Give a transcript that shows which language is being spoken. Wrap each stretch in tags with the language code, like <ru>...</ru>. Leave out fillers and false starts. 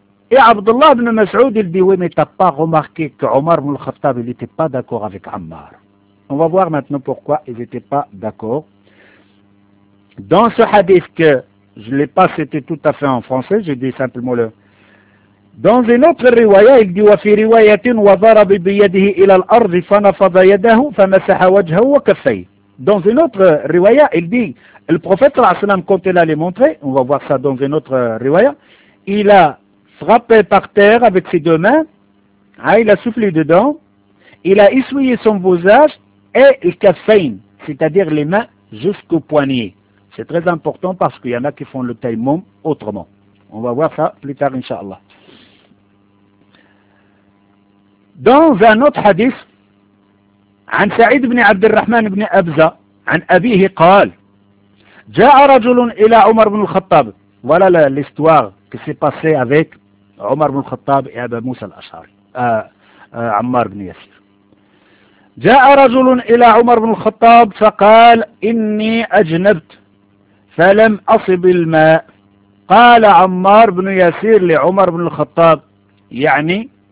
<fr>Et Abdullah ibn Mas'ud, il dit, oui, mais t'as pas remarqué que Omar ibn al-Khattab, il n'était pas d'accord avec Ammar. On va voir maintenant pourquoi ils n'étaient pas d'accord. Dans ce hadith que je ne l'ai pas cité tout à fait en français, je dis simplement le. Dans une autre riwaya, il dit,</fr> <ar>وَفِي رِوَيَةٍ وَضَرَبِ بِيَدِهِ إِلَى الْأَرْضِ فَنَفَضَ يَدَهُ فَمَسَحَ وَجْهَهُ وَكَفَّيْهِ.</ar> <fr>Dans une autre riwaya, il dit, le prophète, quand il allait montrer, on va voir ça dans une autre riwaya, il a frappé par terre avec ses deux mains, hein, il a soufflé dedans, il a essuyé son visage et le kaffayn, c'est-à-dire les mains jusqu'au poignet. C'est très important parce qu'il y en a qui font le taïmoum autrement. On va voir ça plus tard, Inch'Allah. Dans un autre hadith,</fr> <ar>عن سعيد بن عبد الرحمن بن أبزة عن أبيه قال جاء رجل إلى عمر بن الخطاب ولا</ar> <fr>لا لستوار كسي باسي أفيك</fr> <ar>عمر بن الخطاب يا أبا موسى الأشعري عمار بن ياسر جاء رجل إلى عمر بن الخطاب فقال إني أجنبت فلم أصب الماء قال عمار بن ياسر لعمر بن الخطاب يعني</ar>